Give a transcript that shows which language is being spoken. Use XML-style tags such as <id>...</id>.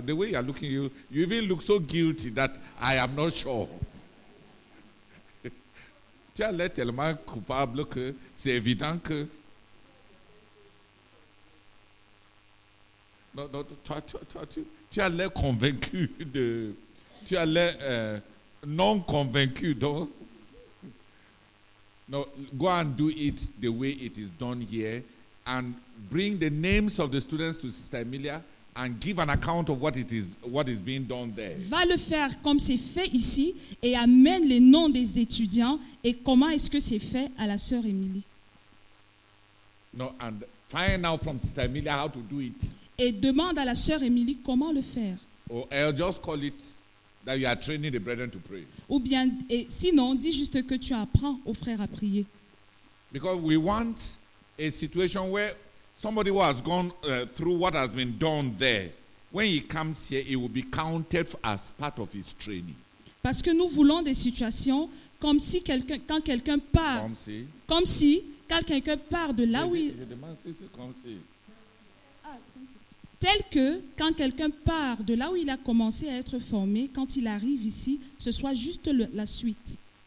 <en>The way you are looking, you even look so guilty that I am not sure.</en> <fr>Tu as l'air tellement coupable que c'est évident que. Non, tu as l'air convaincu de. Tu as l'air non convaincu, donc.</fr> <en>No, go and do it the way it is done here and bring the names of the students to Sister Emilia and give an account of what is being done there.</en> <fr>Va le faire comme c'est fait ici et amène les noms des étudiants et comment est-ce que c'est fait à la sœur Emilie.</fr> <en>No, and find out from Sister Emilia how to do it.</en> <fr>Et demande à la sœur Emilie comment le faire.</fr> <en>Or I'll just call it that you are training the brethren to pray.</en> <fr>Ou bien, et sinon, dis juste que tu apprends aux frères à prier.</fr> <en>Because we want a situation where somebody who has gone through what has been done there, when he comes here, it will be counted as part of his training.</en> <fr>Parce que nous voulons des situations comme si quelqu'un, quand quelqu'un part, comme si quand quelqu'un part de là je où il. Je demande si c'est comme si. Tel que quand quelqu'un part de là où il a commencé à être formé, quand il arrive ici, ce soit juste la suite.</fr>